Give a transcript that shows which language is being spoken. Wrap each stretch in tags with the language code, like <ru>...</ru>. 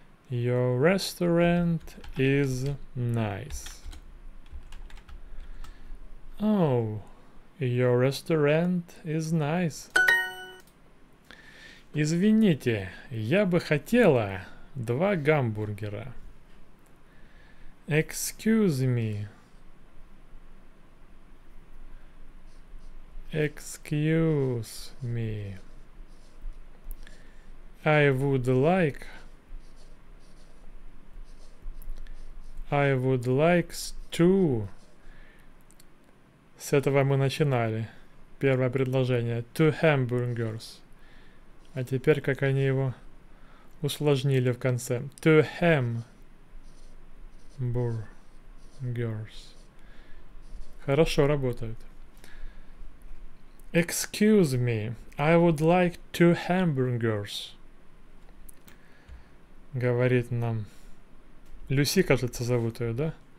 <en>Your restaurant is nice. Oh, your restaurant is nice.</en> <ru>Извините, я бы хотела 2 гамбургера.</ru> <en>Excuse me. Excuse me. I would like 2.</en> <ru>С этого мы начинали. Первое предложение.</ru> <en>2 hamburgers.</en> <ru>А теперь как они его усложнили в конце.</ru> <en>2 hamburgers.</en> <ru>Хорошо работают.</ru> <en>Excuse me, I would like 2 hamburgers.</en> <ru>Говорит нам Люси, кажется, зовут ее, да?</ru>